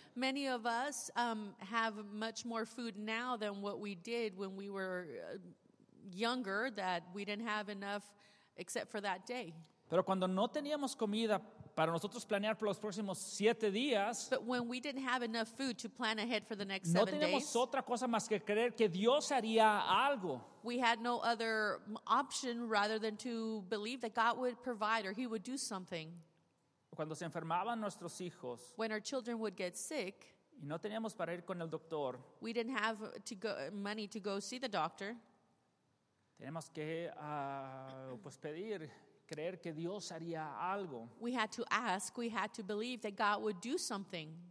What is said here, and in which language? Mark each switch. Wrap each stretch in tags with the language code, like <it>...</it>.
<en>Many of us have much more food now than what we did when we were younger, that we didn't have enough except for that day.</en> <es>Pero cuando no teníamos comida para nosotros planear por los próximos 7 días,</es> <en>but when we didn't have enough food to plan ahead for the next 7 days,</en> <es>no teníamos otra cosa más que creer que Dios haría algo.</es> <en>We had no other option rather than to believe that God would provide or he would do something.</en> <es>Cuando se enfermaban nuestros hijos,</es> <en>when our children would get sick,</en> <es>y no teníamos para ir con el doctor,</es> <en>we didn't have money to go see the doctor,</en> <es>tenemos que pedir, creer que Dios haría algo.</es> <en>We had to ask, we had to believe that God would do something.</en>